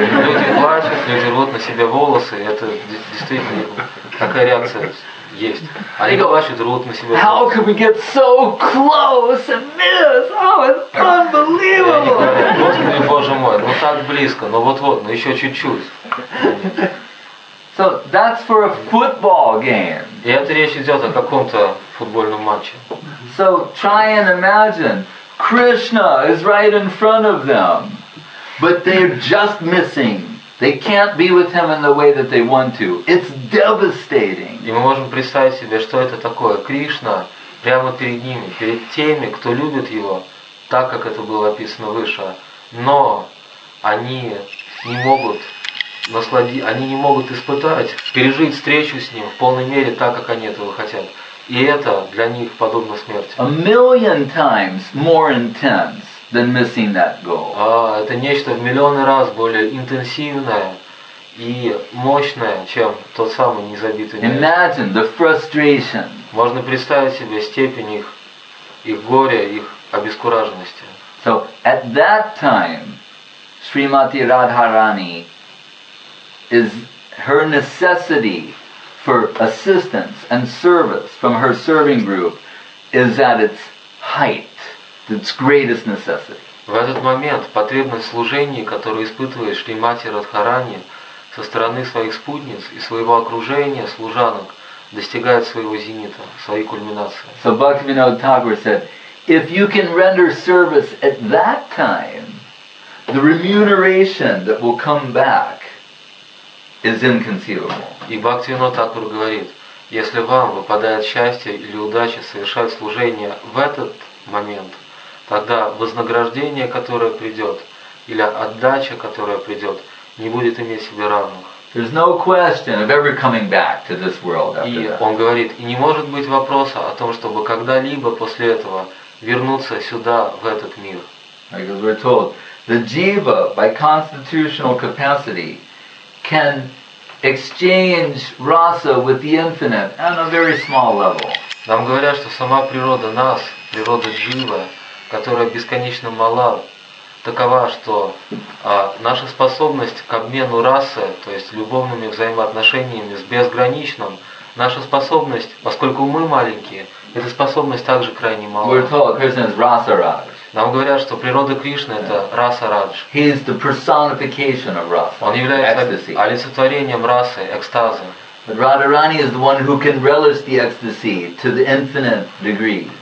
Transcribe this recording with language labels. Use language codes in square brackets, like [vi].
[ru] Люди плачут, люди рвут на себе волосы, это действительно такая реакция. Есть. [en] How could we get so close and miss? Oh, it's unbelievable! [ru] Боже мой, ну так близко, но вот-вот, но еще чуть-чуть. [en] So that's for a football game. [ru] И это речь идет о каком-то футбольном матче. [en] So try and imagine, Krishna is right in front of them, but they're just missing. They can't be with him in the way that they want to. It's devastating. [ru] И мы можем представить себе, что это такое. Кришна прямо перед ними, перед теми, кто любит его, так как это было описано выше. Но они не могут насладиться, они не могут испытать, пережить встречу с ним в полной мере, так как они этого хотят. И это для них подобно смерти. [en] A million times more intense. Than missing that goal. [ru] Это нечто в миллионы раз более интенсивное и мощное, чем тот самый незабитый мяч. [en] Imagine the frustration. [ru] Можно представить себе степень их горя, их обескураженности. [en] So at that time, Srimati Radharani is her necessity for assistance and service from her serving group is at its height. Its greatest necessity. [ru] В этот момент потребность служения, которую испытывает Шримати Радхарани со стороны своих спутниц и своего окружения служанок, достигает своего зенита, своей кульминации. [en] So Bhaktivinoda Thakur said, if you can render service at that time, the remuneration that will come back is inconceivable. [ru] И Бхактивинода Тхакур говорит, если вам выпадает счастье или удача совершать служение в этот момент, тогда вознаграждение, которое придет, или отдача, которая придет, не будет иметь себе равных. [en] There's no question of ever coming back to this world after that. [ru] И он говорит, и не может быть вопроса о том, чтобы когда-либо после этого вернуться сюда, в этот мир. [en] Like we're told, the jiva, by constitutional capacity, can exchange rasa with the infinite on a very small level. [ru] Нам говорят, что сама природа нас, природа джива, которая бесконечно мала, такова, что наша способность к обмену расы, то есть любовными взаимоотношениями с безграничным, наша способность, поскольку мы маленькие, эта способность также крайне мала. [en] We're told Krishna is rasa raj. [ru] Нам говорят, что природа Кришны yeah. это раса радж. [en] He is the personification of rasa. [ru] Он является олицетворением расы, экстаза. [en] But Radharani is the one who can relish the ecstasy to the infinite degree.